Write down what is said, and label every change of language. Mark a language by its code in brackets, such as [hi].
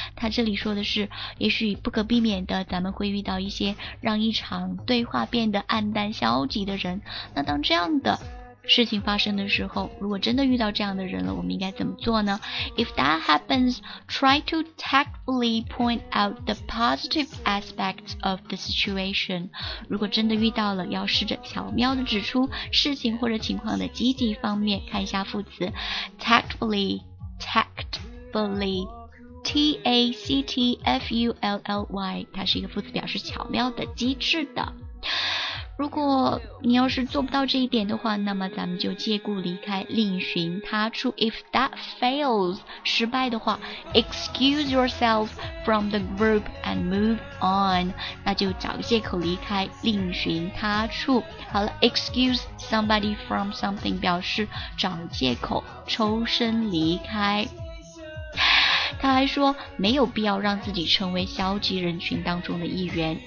[zh] 他这里说的是也许不可避免的咱们会遇到一些让一场对话变得暗淡消极的人。那当这样的事情发生的时候，如果真的遇到这样的人了，我们应该怎么做呢？ [en] If that happens, try to tactfully point out the positive aspects of the situation. [zh] 如果真的遇到了，要试着巧妙地指出事情或者情况的积极方面。看一下副词 tactfully, T-A-C-T-F-U-L-L-Y, 它是一个副词，表示巧妙的、机智的。如果你要是做不到这一点的话，那么咱们就借故离开，另寻他处。 [en] If that fails, [zh] 失败的话， [en] excuse yourself from the group and move on. [zh] 那就找个借口离开，另寻他处。好了， excuse somebody from something, 表示找借口，抽身离开。他还说没有必要让自己成为消极人群当中的一员。